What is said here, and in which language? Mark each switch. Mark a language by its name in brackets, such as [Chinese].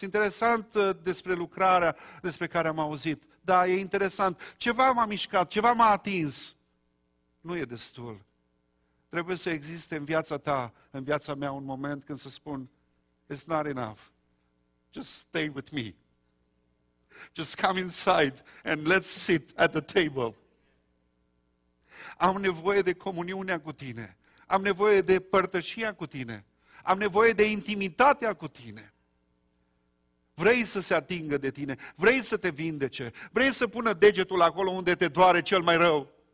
[Romanian] Interesant despre lucrarea despre care am auzit. Da, e interesant. Ceva m-a mișcat, ceva m-a atins. Nu e destul. Trebuie să existe în viața ta, în viața mea, un moment când să spun, [English] it's not enough. Just stay with me. Just come inside and let's sit at the table. [Romanian] Am nevoie de comuniunea cu tine. Am nevoie de părtășia cu tine. Am nevoie de intimitatea cu tine. Vrei să se atingă de tine. Vrei să te vindece. Vrei să pună degetul acolo unde te doare cel mai rău.